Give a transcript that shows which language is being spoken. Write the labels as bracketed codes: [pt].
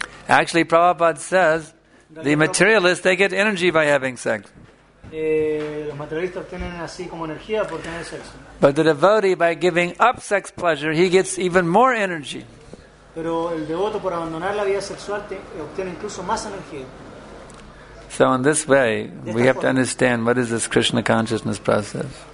[en] Actually, Prabhupada says, the materialists, they get energy by having sex. [es] Los materialistas tienen así como energía por tener sexo. [en] But the devotee, by giving up sex pleasure, he gets even more energy. [es] Pero el devoto por abandonar la vida sexual obtiene incluso más energía. [en] So in this way, we have to understand what is this Krishna consciousness process.